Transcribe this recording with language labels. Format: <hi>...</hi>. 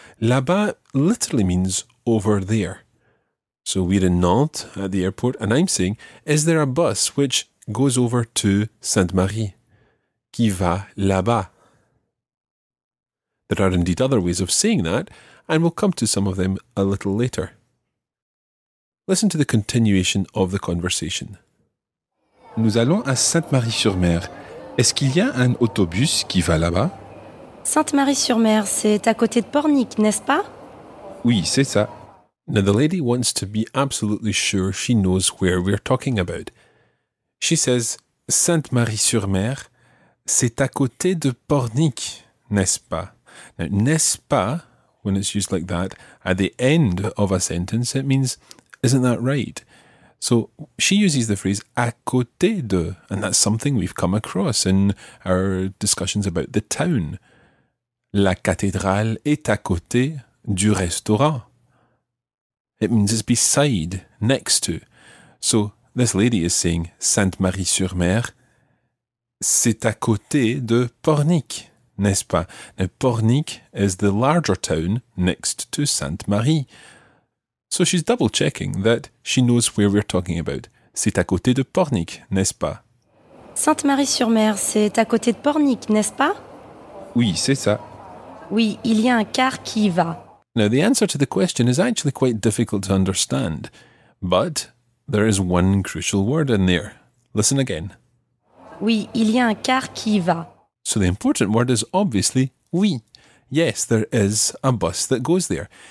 <en>Là-bas literally means over there. So we're in Nantes at the airport, and I'm saying, is there a bus which goes over to Sainte-Marie?</en> <fr>Qui va là-bas?</fr> <en>There are indeed other ways of saying that, and we'll come to some of them a little later. Listen to the continuation of the conversation.</en> <fr>Nous allons à Sainte-Marie-sur-Mer. Est-ce qu'il y a un autobus qui va là-bas? Sainte-Marie-sur-Mer, c'est à côté de Pornic, n'est-ce pas? Oui, c'est ça.</fr> <en>Now the lady wants to be absolutely sure she knows where we're talking about. She says,</en> <fr>Sainte-Marie-sur-Mer, c'est à côté de Pornic, n'est-ce pas?</fr> <en>Now, n'est-ce pas, when it's used like that, at the end of a sentence, it means, isn't that right? So she uses the phrase à côté de, and that's something we've come across in our discussions about the town.</en> <fr>La cathédrale est à côté du restaurant.</fr> <en>It means it's beside, next to. So this lady is saying</en> <fr>Sainte-Marie-sur-Mer, c'est à côté de Pornic, n'est-ce pas?</fr> <en>Now Pornic is the larger town next to Sainte-Marie. So she's double-checking that she knows where we're talking about.</en> <fr>C'est à côté de Pornic, n'est-ce pas? Sainte-Marie-sur-Mer, c'est à côté de Pornic, n'est-ce pas? Oui, c'est ça. Oui, il y a un car qui y va.</fr> <en>Now, the answer to the question is actually quite difficult to understand, but there is one crucial word in there. Listen again.</en> <fr>Oui, il y a un car qui y va.</fr> <en>So the important word is obviously</en> <fr>oui.</fr> <en>Yes, there is a bus that goes there.</en>